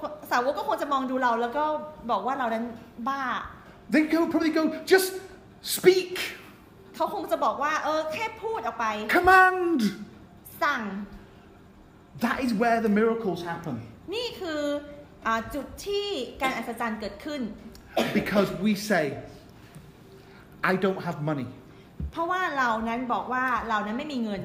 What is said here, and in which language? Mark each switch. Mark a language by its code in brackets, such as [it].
[th] สาวกก็คงจะมองดูเราแล้วก็บอกว่าเรานั้นบ้า [en] They could probably go just speak [th] เขาคงจะบอกว่าแค่พูดออกไป [en] Command [th] สั่ง [en] That is where the miracles happen. [th] นี่คือจุดที่การอัศจรรย์เกิดขึ้น [en] Because we say, I don't have money. [th] เพราะว่าเรานั้นบอกว่าเรานั้นไม่มีเงิน